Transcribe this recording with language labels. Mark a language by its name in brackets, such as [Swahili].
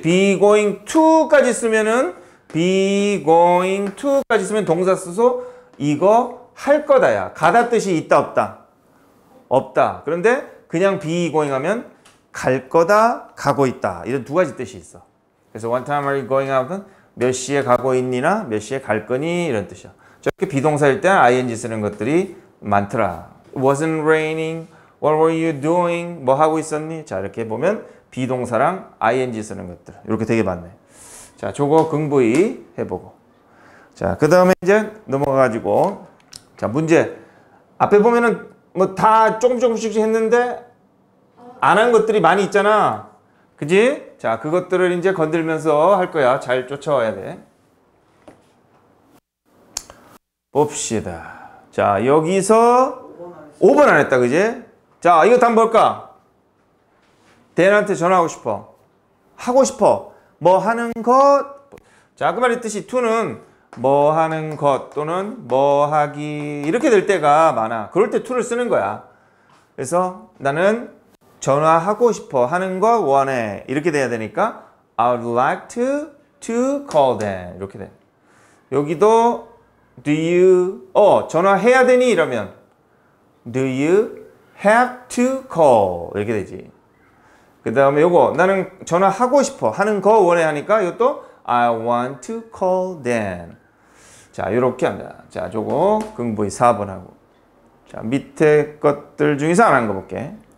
[Korean] be going to까지 쓰면은 be going to까지 쓰면 동사 쓰소 이거 할 거다야. 가다 뜻이 있다 없다? 없다. 그런데 그냥 be going 하면 갈 거다, 가고 있다. 이런 두 가지 뜻이 있어. 그래서 [English] what time are you going out [Korean] 은 몇 시에 가고 있니나 몇 시에 갈 거니 이런 뜻이야. 저렇게 비동사일 때 ing 쓰는 것들이 많더라. [English] wasn't raining, what were you doing, [Korean] 뭐 하고 있었니? 자, 이렇게 보면 비동사랑 ing 쓰는 것들 이렇게 되게 많네. 자, 저거 긍부이 해보고. 자, 그 다음에 이제 넘어가가지고 자, 문제 앞에 보면은 뭐 다 조금 조금씩 했는데 안 한 것들이 많이 있잖아. 그지? 자, 그것들을 이제 건들면서 할 거야. 잘 쫓아와야 돼. 봅시다. 자, 여기서 5번 안 했다. 그지? 자, 이거 다 뭘까? 댄한테 전화하고 싶어. 하고 싶어. 뭐 하는 것? 자, 그 말의 뜻이 to는 뭐 하는 것 또는 뭐 하기 이렇게 될 때가 많아. 그럴 때 to를 쓰는 거야. 그래서 나는 전화하고 싶어 하는 거 원해 이렇게 돼야 되니까 [English] I would like to call them [Korean] 이렇게 돼. 여기도 do you 전화해야 되니 이러면 [English] do you have to call [Korean] 이렇게 되지. 그 다음에 요거 나는 전화하고 싶어 하는 거 원해 하니까 이것도 [English] I want to call them. [Korean] 자, 요렇게 합니다. 자, 저거 긍부이 4번 하고 자 밑에 것들 중에서 안 한 거 볼게.